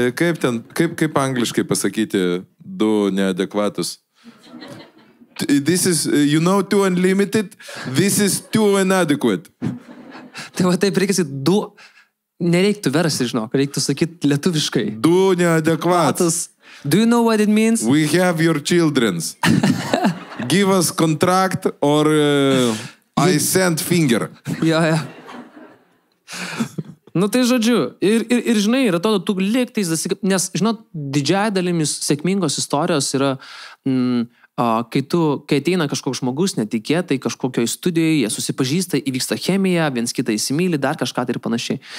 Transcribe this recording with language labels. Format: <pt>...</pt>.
<lt>Kaip ten, kaip angliškai pasakyti 2 neadekvatus?</lt> <en>This is... You know 2 unlimited? This is 2 inadequate.</en> <lt>Tai va, taip reikia sakyti 2... Nereiktų versi, žinok, reiktų sakyti lietuviškai. 2 neadekvatus.</lt> <en>Do you know what it means? We have your children. Give us contract or I send finger.</en> <lt>Jo. Nu tai žodžiu. Ir žinai, ir atrodo, tu liktais... Nes, žinot, didžiai dalimis sėkmingos istorijos yra Kai ateina kažkoks žmogus netikėtai kažkokioje studijoje, jie susipažįsta, įvyksta chemija, viens kitą įsimyli, dar kažką tai ir panašiai.</lt>